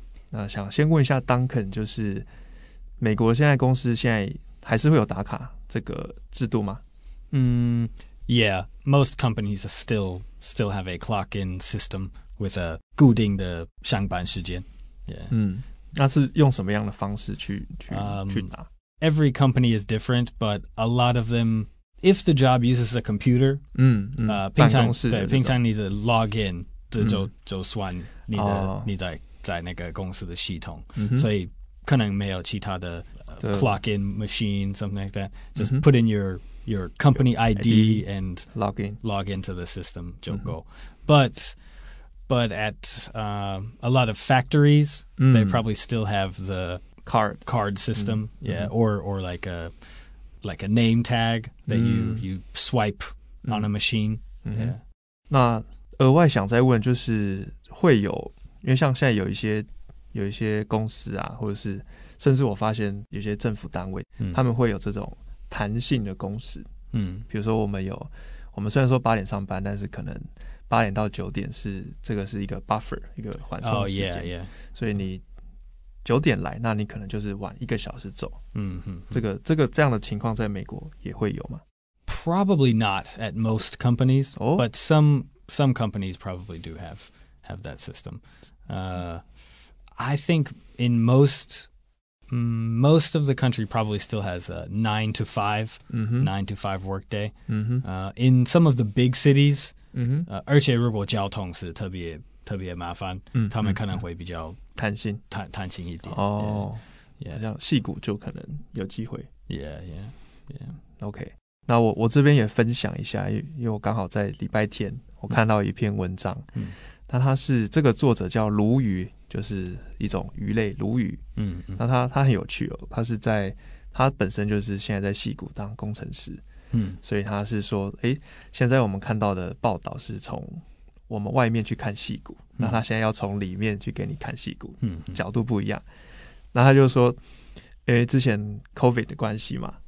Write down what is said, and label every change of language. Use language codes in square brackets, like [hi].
[zh] 那想先问一下 Duncan， 就是美国现在公司现在还是会有打卡这个制度吗？ [en] 嗯 ，Yeah， most companies still have a clock in system with a [zh] 固定的上班时间。 [en] Yeah， [zh] 嗯，那是用什么样的方式去打？ [en] Every company is different, but a lot of them, if the job uses a computer, [zh] 平常是对平常你的 log in 这就算你的、哦、你在那个公司的系统、嗯，所以可能没有其他的、 [en] clock in machine something like that. Just、嗯、put in your company ID and log in to the system [zh] 就够、 [en] 嗯。But at a lot of factories,、嗯、 they probably still have the. Card system,、mm-hmm. yeah, or like a name tag that、mm-hmm. you swipe on a machine.、 Mm-hmm. Yeah. [zh] 那额外想再问就是会有，因为像现在有一些公司啊，或者是甚至我发现有些政府单位，他们会有这种弹性的工时。嗯，比如说我们虽然说八点上班，但是可能八点到九点是这个是一个 buffer 一个缓冲时间。 [en] Oh, yeah, yeah. [zh] 所以你。九点来，那你可能就是晚一个小时走。嗯哼，这个这样的情况在美国也会有吗 [en] ？Probably not at most companies,、 oh? but some companies probably do have that system. I think in most of the country probably still has a 9-to-5, mm-hmm. 9-to-5 workday. Mm-hmm. In some of the big cities, mm-hmm. [zh] 而且如果交通是特别麻烦，他们可能会比较弹性一点，细谷就可能有机会。 OK， 那我这边也分享一下，因为我刚好在礼拜天我看到一篇文章，那他是这个作者叫鲈鱼，就是一种鱼类鲈鱼，那他很有趣哦，他是在他本身就是现在在矽谷当工程师，所以他是说，现在我们看到的报道是从我们外面去看矽谷，那他现在要从里面去给你看矽谷，角度不一样，那他就说，之前 COVID 的关系嘛，